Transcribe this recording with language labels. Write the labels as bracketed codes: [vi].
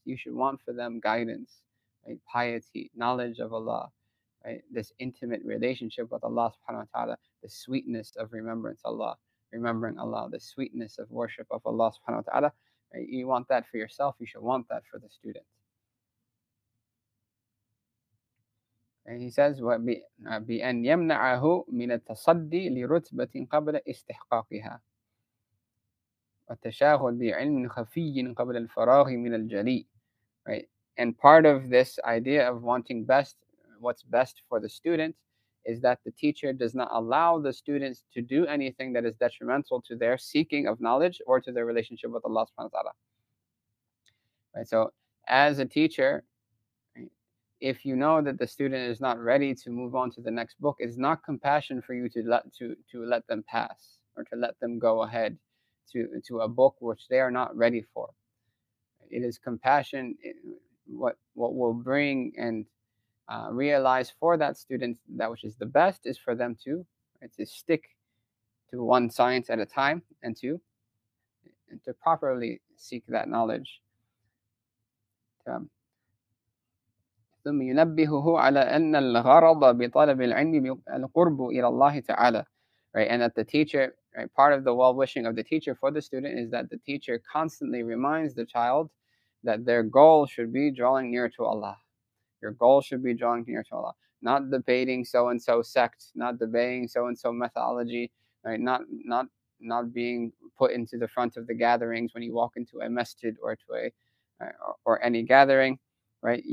[en] You should want for them guidance, right, piety, knowledge of Allah, right, this intimate relationship with Allah subhanahu wa ta'ala, the sweetness of remembering Allah, the sweetness of worship of Allah subhanahu wa ta'ala. Right, you want that for yourself, you should want that for the student. [ar] And he says, بِأَنْ يَمْنَعَهُ مِنَ التَّصَدِّي لِرُتْبَةٍ قَبْلَ إِسْتِحْقَاقِهَا وَالتَّشَاغُلْ بِعِلْمٍ خَفِيٍّ قَبْلَ الْفَرَاغِ مِنَ الْجَلِيِّ [en] Right? And part of this idea of wanting best, what's best for the student, is that the teacher does not allow the students to do anything that is detrimental to their seeking of knowledge or to their relationship with Allah subhanahu wa ta'ala. Right? So, as a teacher, if you know that the student is not ready to move on to the next book, it's not compassion for you to let them pass or to let them go ahead to a book which they are not ready for. It is compassion, what will bring and realize for that student that which is the best is for them to stick to one science at a time and to properly seek that knowledge. [ar] ثم ينبهه على أن الغرض بطلب العلم القرب إلى الله تعالى. [en] Right, and that the teacher Right? Part of the well-wishing of the teacher for the student is that the teacher constantly reminds the child that their goal should be drawing near to Allah. Your goal should be drawing near to Allah. Not debating so-and-so sect, not debating so-and-so methodology, right? Not being put into the front of the gatherings when you walk into a masjid or to a or any gathering, right?